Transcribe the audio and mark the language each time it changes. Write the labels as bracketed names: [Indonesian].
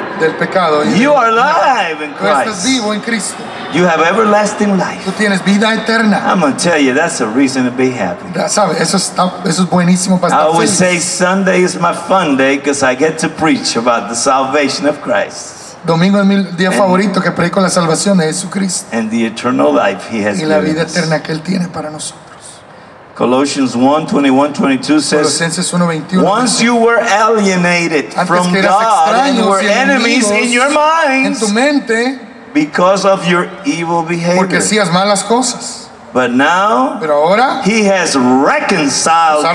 [Spanish] Del pecado. [English] You are alive in Christ. [Spanish] Tú estás vivo en Cristo. [English] You have everlasting life. [Spanish] Tú tienes vida eterna. [English] I'm going to tell you, that's a reason to be happy. [Spanish] ¿Sabe? Eso es buenísimo para estar [English] I always [Spanish] feliz. [English] Say Sunday is my fun day because I get to preach about the salvation of Christ. [Spanish] Domingo es mi día favorito que predico la salvación de Jesucristo. [English] And the eternal life he has given us. [Spanish] Y la vida eterna que él tiene para nosotros. [English] Colossians 1:21-22 says, [Spanish] Colosenses 1:21, [English] once you were alienated from God and you were enemies in your minds, [Spanish] en tu mente, [English] because of your evil behavior. [Spanish] Porque hacías malas cosas. [English] But now, [Spanish] pero ahora, [English] he has reconciled